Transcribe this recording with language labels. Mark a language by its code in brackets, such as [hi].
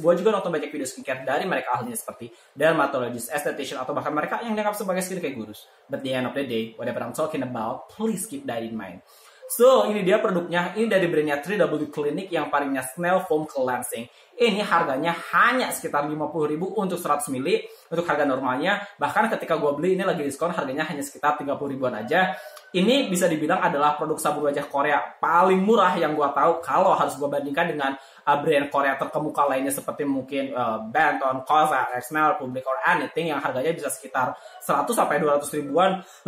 [id] Gue juga nonton banyak video skincare dari mereka ahlinya seperti dermatologist, esthetician, atau bahkan mereka yang dianggap sebagai skincare gurus. [en] But the end of the day, whatever I'm talking about, please keep that in mind. [id] So, ini dia produknya. Ini dari brandnya 3W Clinic yang paringnya Snail Foam Cleansing. Ini harganya hanya sekitar Rp50.000 untuk 100ml. Untuk harga normalnya, bahkan ketika gue beli ini lagi diskon, harganya hanya sekitar Rp30.000an aja. Ini bisa dibilang adalah produk sabun wajah Korea paling murah yang gue tahu kalau harus gue bandingkan dengan brand Korea terkemuka lainnya seperti mungkin Benton, Kosar, Snail, Public, [en] or anything [id] yang harganya bisa sekitar 100-200ribuan.